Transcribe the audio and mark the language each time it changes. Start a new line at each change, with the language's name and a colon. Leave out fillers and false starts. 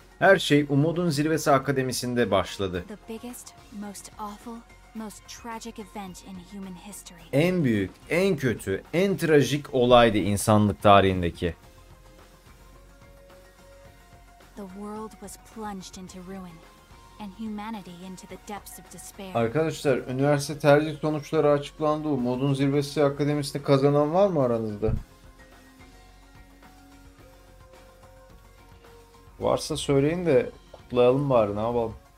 Turkish: Her şey Umudun Zirvesi Akademisi'nde başladı.
English: The biggest, most awful, most tragic event in human history.
Turkish: En büyük, en kötü, en trajik olaydı insanlık tarihindeki.
English: The world was plunged into ruin. And humanity into the depths of despair.
Turkish: Arkadaşlar, üniversite tercih sonuçları açıklandı. Umudun Zirvesi Akademisi'ni kazanan var mı aranızda? Varsa söyleyin de kutlayalım bari, ne yapalım.